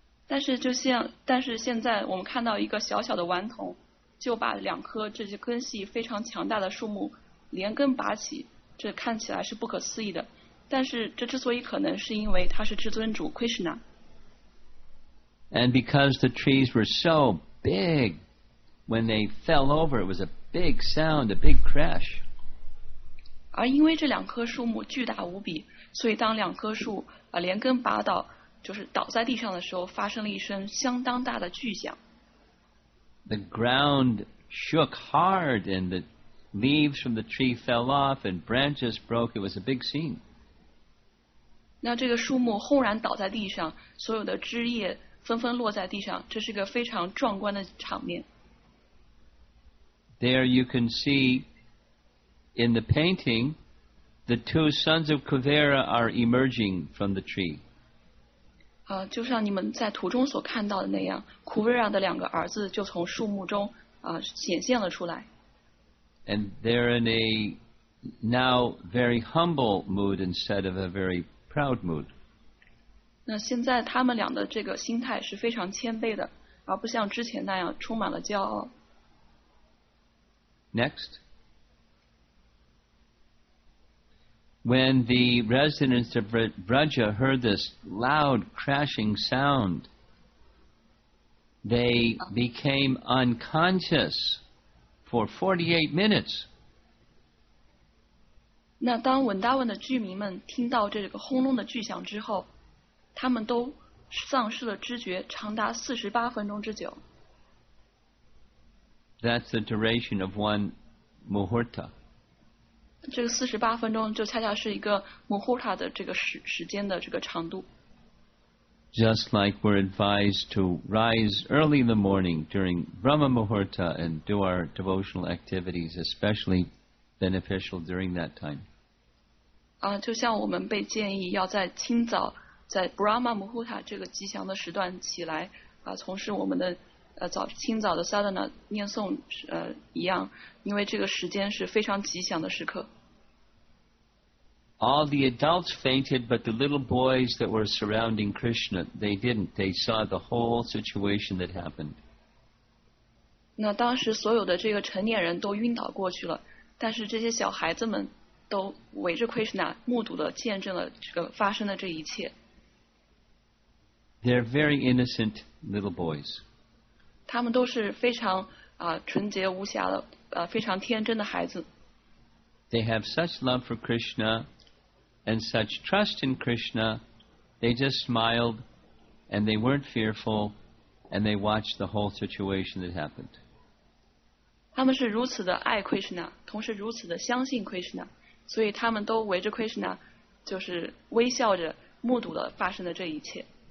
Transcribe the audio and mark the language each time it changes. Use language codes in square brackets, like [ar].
[zh] 但是就像但是现在我们看到一个小小的顽童就把两棵这些根系非常强大的树木连根拔起，这看起来是不可思议的。但是这之所以可能，是因为他是至尊主 Krishna。 [en] And because the trees were so big, when they fell over, it was a big sound, a big crash. [zh] 而因为这两棵树木巨大无比，所以当两棵树连根拔倒，就是倒在地上的时候，发生了一声相当大的巨响。 [en] The ground shook hard and the leaves from the tree fell off and branches broke. It was a big scene. [zh] 那这个树木轰然倒在地上，所有的枝叶纷纷落在地上，这是一个非常壮观的场面。 [en] There you can see in the painting the two sons of Kuvera are emerging from the tree. [zh] 就像你们在图中所看到的那样，库维拉的两个儿子就从树木中显现了出来。 [en] And they're in a now very humble mood instead of a very proud mood. [zh] 那现在他们俩的这个心态是非常谦卑的，而不像之前那样充满了骄傲。 [en] Next. When the residents of Vraja heard this loud crashing sound, they became unconscious for 48 minutes. [zh] 那当文达文的居民们听到这个轰隆的巨响之后，他们都丧失了知觉，长达48分钟之久。 [en] That's the duration of one muhurta. [zh] 这个48分钟就恰恰是一个 muhurta 的这个时间的这个长度。 [en] Just like we're advised to rise early in the morning during Brahma Muhurta and do our devotional activities, especially beneficial during that time. [zh] 就像我们被建议要在清早在 Brahma Muhurta 这个吉祥的时段起来从事我们的清早的 sadhana 念诵一样，因为这个时间是非常吉祥的时刻。 [en] All the adults fainted, but the little boys that were surrounding Krishna, they didn't. They saw the whole situation that happened. [zh] 那当时所有的这个成年人都晕倒过去了，但是这些小孩子们都围着 Krishna 目睹了见证了这个发生的这一切。 [en] They're very innocent little boys. [zh] 他们都是非常纯洁无瑕的非常天真的孩子。 [en] They have such love for Krishna and such trust in Krishna, they just smiled and they weren't fearful and they watched the whole situation that happened. [zh] 他们是如此的爱 Krishna, 同时如此的相信 Krishna, 所以他们都围着 Krishna, 就是微笑着目睹了发生的这一切。